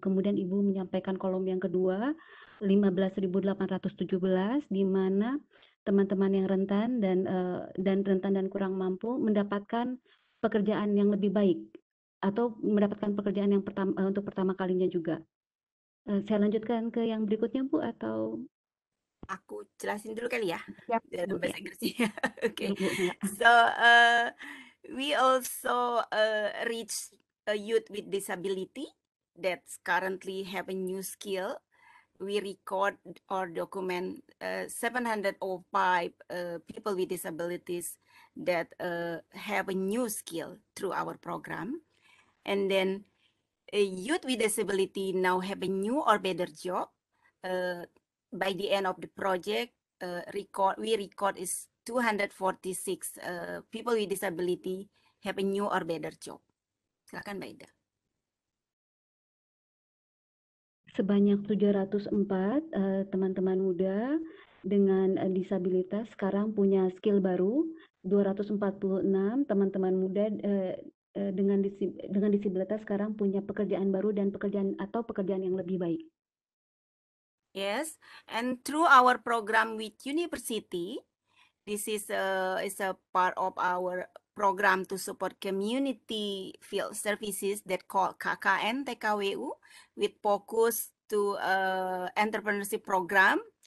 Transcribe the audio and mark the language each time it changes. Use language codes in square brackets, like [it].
[id] Kemudian Ibu menyampaikan kolom yang kedua 15.817 di mana teman-teman yang rentan dan kurang mampu mendapatkan pekerjaan yang lebih baik atau mendapatkan pekerjaan yang pertama untuk pertama kalinya juga. Saya lanjutkan ke yang berikutnya Bu atau aku jelasin dulu kali ya siap, dalam bahasa Inggrisnya. Oke. Okay. Ya. [en] So we also reach a youth with disability that currently have a new skill. We record or document 705 people with disabilities that have a new skill through our program. And then a youth with disability now have a new or better job. By the end of the project, we record is 246 people with disability have a new or better job. [id] Silakan, Mbak Ida. Sebanyak 704 teman-teman muda dengan disabilitas sekarang punya skill baru. 246 teman-teman muda dengan disabilitas sekarang punya pekerjaan baru dan pekerjaan atau pekerjaan yang lebih baik. [en] Yes, and through our program with university, this is a part of our program to support community field services that called KKN TKWU with focus to entrepreneurship program.